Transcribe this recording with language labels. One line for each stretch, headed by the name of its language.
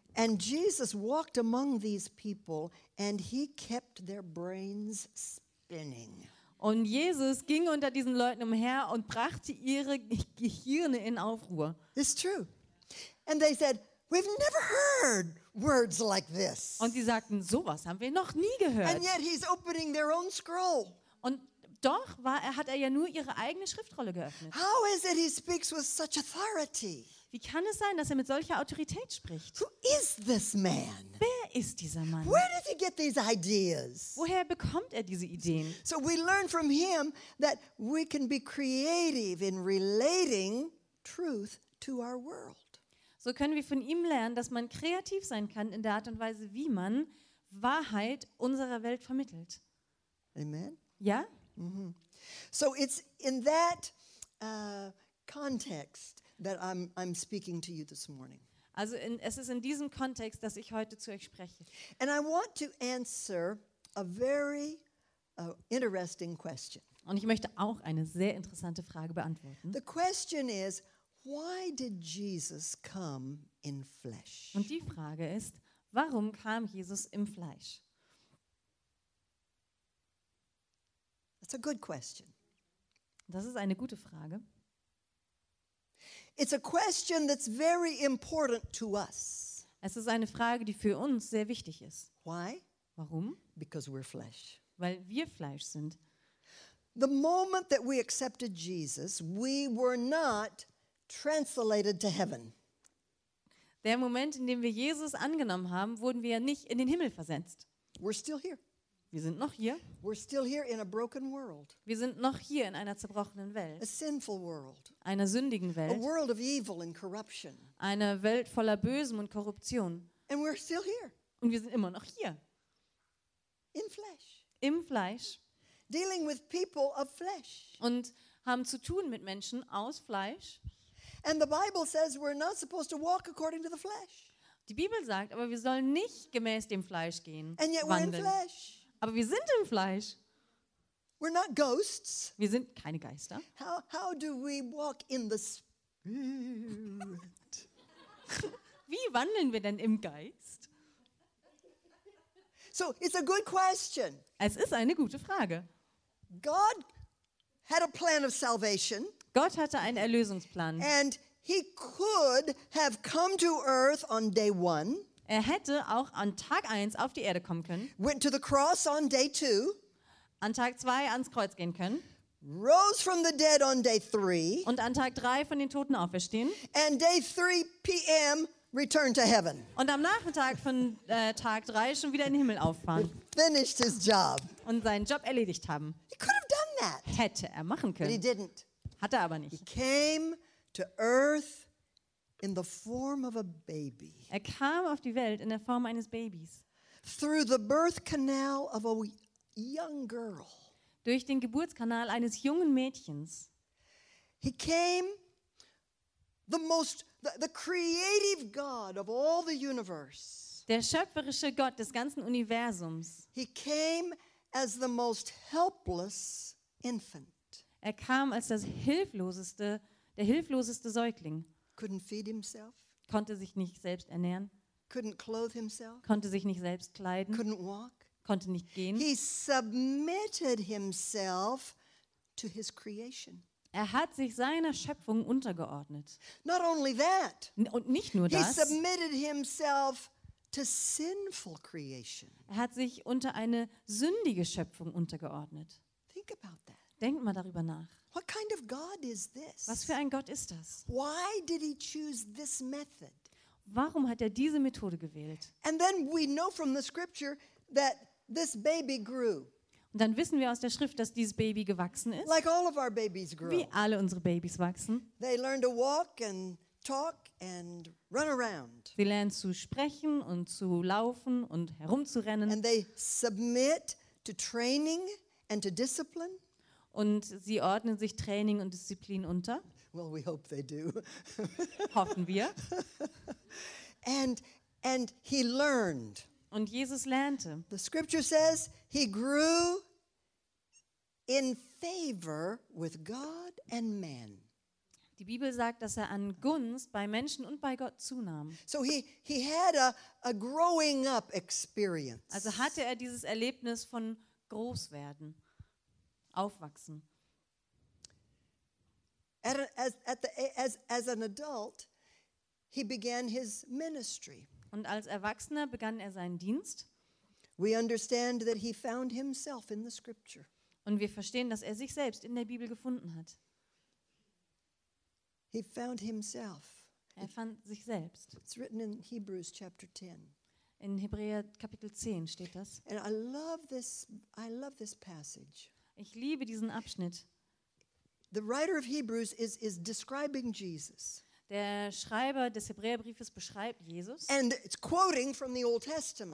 English: And Jesus walked among these people and he kept their brains spinning.
German: Und Jesus ging unter diesen Leuten umher und brachte ihre Gehirne in Aufruhr.
English: It's true. And they said, we've never heard words like this.
German: Und sie sagten, sowas haben wir noch nie gehört.
English: And yet he's opening their own scroll.
German: Und doch hat er ja nur ihre eigene Schriftrolle geöffnet.
English: How is it he speaks with such authority?
German: Wie kann es sein, dass er mit solcher Autorität spricht?
English: Who is this man?
German: Wer ist dieser Mann?
English: Where did he get these ideas?
German: Woher bekommt er diese Ideen?
English: So we learn from him that we can be creative in relating truth to our world.
German: So können wir von ihm lernen, dass man kreativ sein kann in der Art und Weise, wie man Wahrheit unserer Welt vermittelt.
English: Amen.
German: Ja? Mm-hmm.
English: So it's in that context that I'm speaking to you this morning.
German: Also es ist in diesem Kontext, dass ich heute zu euch spreche.
English: And I want to answer a very interesting question.
German: Und ich möchte auch eine sehr interessante Frage beantworten.
English: The question is, why did Jesus come in flesh?
German: Und die Frage ist, warum kam Jesus im Fleisch?
English: It's a good question.
German: Das ist eine gute Frage.
English: It's a question that's very important to us.
German: Es ist eine Frage, die für uns sehr wichtig ist.
English: Why?
German: Warum?
English: Because we're flesh.
German: Weil wir Fleisch sind.
English: The moment that we accepted Jesus, we were not translated to heaven.
German: Der Moment, in dem wir Jesus angenommen haben, wurden wir nicht in den Himmel versetzt.
English: We're still here.
German: Wir sind noch hier.
English: We're still here in a broken world.
German: Wir sind noch hier in einer zerbrochenen Welt.
English: A sinful world.
German: Einer sündigen Welt.
English: A world of evil and corruption.
German: Eine Welt voller Bösem und Korruption.
English: And we're still here.
German: Und wir sind immer noch hier.
English: In flesh.
German: Im Fleisch.
English: Dealing with people of flesh.
German: Und haben zu tun mit Menschen aus Fleisch.
English: And the Bible says we're not supposed to walk according to the flesh.
German: Die Bibel sagt, aber wir sollen nicht gemäß dem Fleisch gehen.
English: And yet
German: wandeln.
English: We're in flesh.
German: Aber wir sind im Fleisch.
English: We're not ghosts.
German: Wir sind keine Geister.
English: How do we walk in the spirit?
German: Wie wandeln wir denn im Geist?
English: So, it's a good question.
German: Es ist eine gute Frage.
English: God had a plan of salvation.
German: Gott hatte einen Erlösungsplan.
English: And he could have come to earth on day one.
German: Er hätte auch an Tag 1 auf die Erde kommen können.
English: Went to the cross on day 2.
German: An Tag 2 ans Kreuz gehen können.
English: Rose from the dead on day 3.
German: Und an Tag 3 von den Toten auferstehen.
English: And day 3 p.m. return to heaven.
German: Und am Nachmittag von Tag 3 schon wieder in den Himmel auffahren.
English: Finished his job.
German: Und seinen Job erledigt haben.
English: He could have done that.
German: Hätte er machen können.
English: But he didn't.
German: Hat er aber nicht.
English: He came to earth in the form of a baby.
German: Er kam auf die Welt in der Form eines Babys.
English: Through the birth canal of a young girl.
German: Durch den Geburtskanal eines jungen Mädchens.
English: He came the most the creative God of all the universe.
German: Der schöpferische Gott des ganzen Universums.
English: He came as the most helpless infant.
German: Er kam als das hilfloseste, der hilfloseste Säugling.
English: Couldn't feed himself.
German: Konnte sich nicht selbst ernähren.
English: Couldn't clothe himself.
German: Konnte sich nicht selbst kleiden.
English: Couldn't walk.
German: Konnte nicht gehen.
English: He submitted himself to his creation.
German: Er hat sich seiner Schöpfung untergeordnet.
English: Not only that.
German: Und nicht nur das.
English: He submitted himself to sinful creation.
German: Er hat sich unter eine sündige Schöpfung untergeordnet.
English: Think about that.
German: Denkt mal darüber nach.
English: What kind of God is this?
German: Was für ein Gott ist das?
English: Why did he choose this method?
German: Warum hat er diese Methode gewählt?
English: And then we know from the scripture that this baby grew.
German: Und dann wissen wir aus der Schrift, dass dieses Baby gewachsen ist.
English: Like all of our babies grow.
German: Wie alle unsere Babys wachsen.
English: They learn to walk and talk and run around.
German: Sie lernen zu sprechen und zu laufen und herumzurennen.
English: And they submit to training and to discipline.
German: Und sie ordnen sich Training und Disziplin unter.
English: Well, we hope they do.
German: Hoffen wir.
English: And he learned.
German: Und Jesus lernte.
English: The scripture says he grew in favor with God and man.
German: Die Bibel sagt, dass er an Gunst bei Menschen und bei Gott zunahm.
English: So he had a growing up experience.
German: Also hatte er dieses Erlebnis von Großwerden, Aufwachsen.
English: As an adult, he began his ministry.
German: Und als Erwachsener begann er seinen Dienst.
English: We understand that he found himself in the scripture.
German: Und wir verstehen, dass er sich selbst in der Bibel gefunden hat.
English: He found himself.
German: Er fand sich selbst.
English: It's written in Hebrews chapter 10.
German: In Hebräer Kapitel 10 steht das.
English: And I love this passage.
German: Ich liebe diesen Abschnitt.
English: The writer of Hebrews is describing Jesus.
German: Der Schreiber des Hebräerbriefes beschreibt Jesus.
English: And it's quoting from the Old Testament.